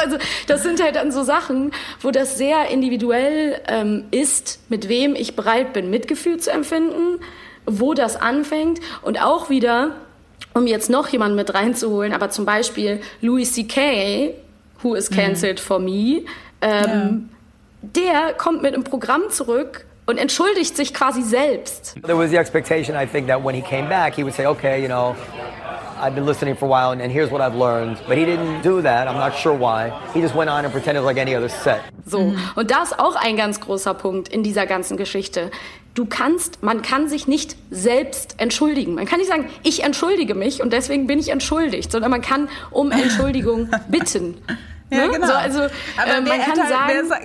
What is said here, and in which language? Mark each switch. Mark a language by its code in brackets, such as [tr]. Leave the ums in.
[de] Also, das sind halt dann so Sachen, wo das sehr individuell ähm, ist, mit wem ich bereit bin, Mitgefühl zu empfinden, wo das anfängt. Und auch wieder, um jetzt noch jemanden mit reinzuholen, aber zum Beispiel Louis C.K., [en] who is cancelled [de] mhm. [en] for me, ähm, ja. [de] der kommt mit einem Programm zurück, und entschuldigt sich quasi selbst. [en] There was the expectation I think that when he came back he would say okay, you know, I've been listening for a while and, and here's what I've learned, but he didn't do that. I'm not sure why. He just went on and pretended like any other set. So, mm. [de] und da ist auch ein ganz großer Punkt in dieser ganzen Geschichte. Du kannst, man kann sich nicht selbst entschuldigen. Man kann nicht sagen, ich entschuldige mich und deswegen bin ich entschuldigt, sondern man kann um Entschuldigung bitten. ja, ne? yeah, genau. So, also, Aber äh, man kann anti, sagen, a,